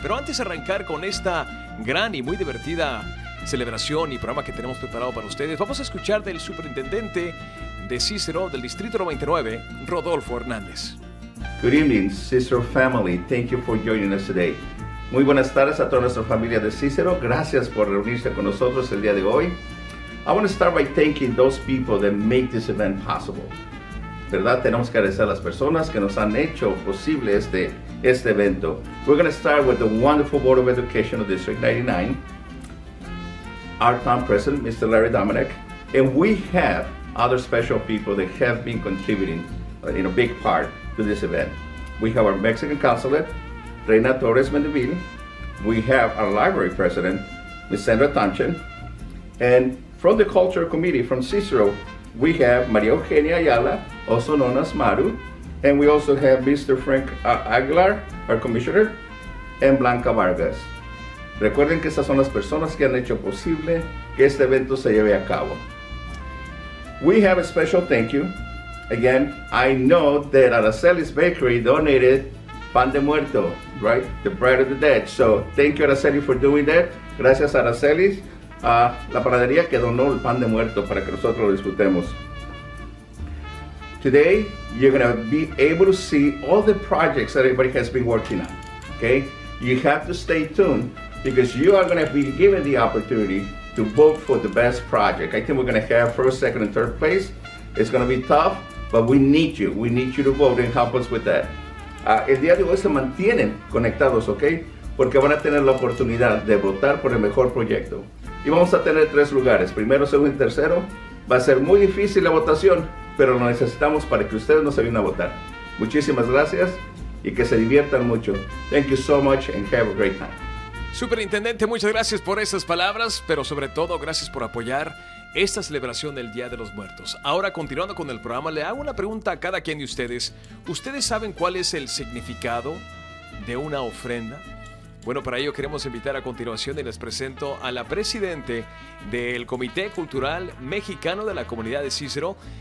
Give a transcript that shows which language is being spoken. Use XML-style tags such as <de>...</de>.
<es>Pero antes de arrancar con esta gran y muy divertida celebración y programa que tenemos preparado para ustedes, vamos a escuchar del superintendente de Cicero, del Distrito 99, Rodolfo Hernández.</es> <en>Good evening, Cicero family. Thank you for joining us today.</en> <es>Muy buenas tardes a toda nuestra familia de Cicero. Gracias por reunirse con nosotros el día de hoy.</es> <en>I want to start by thanking those people that make this event possible.</en> <es>¿Verdad? Tenemos que agradecer a las personas que nos han hecho posible este evento.</es> <en>We're going to start with the wonderful Board of Education of District 99, our town president, Mr. Larry Dominic, and we have other special people that have been contributing in a big part to this event. We have our Mexican consulate, Reina Torres Mendeville. We have our library president, Ms. Sandra Tanchen. And from the cultural committee from Cicero, we have Maria Eugenia Ayala, also known as Maru. And we also have Mr. Frank Aguilar, our commissioner, and Blanca Vargas.</en> <es>Recuerden que estas son las personas que han hecho posible que este evento se lleve a cabo.</es> <en>We have a special thank you. Again, I know that Araceli's Bakery donated pan de muerto, right? The bread of the dead. So thank you, Araceli, for doing that. Gracias, Araceli.</en> <es>La panadería que donó el pan de muerto para que nosotros lo disfrutemos.</es> <en>Today, you're going to be able to see all the projects that everybody has been working on. Okay? You have to stay tuned because you are going to be given the opportunity to vote for the best project. I think we're gonna have first, second, and third place. It's gonna be tough, but we need you. We need you to vote and help us with that.</en> <es>El día de hoy se mantienen conectados, okay? Porque van a tener la oportunidad de votar por el mejor proyecto. Y vamos a tener tres lugares, primero, segundo y tercero. Va a ser muy difícil la votación, pero lo necesitamos para que ustedes nos ayuden a votar. Muchísimas gracias y que se diviertan mucho.</es> <en>Thank you so much and have a great time.</en> <es>Superintendente, muchas gracias por esas palabras, pero sobre todo gracias por apoyar esta celebración del Día de los Muertos. Ahora, continuando con el programa, le hago una pregunta a cada quien de ustedes. ¿Ustedes saben cuál es el significado de una ofrenda? Bueno, para ello queremos invitar a continuación y les presento a la presidente del Comité Cultural Mexicano de la Comunidad de Cícero.</es>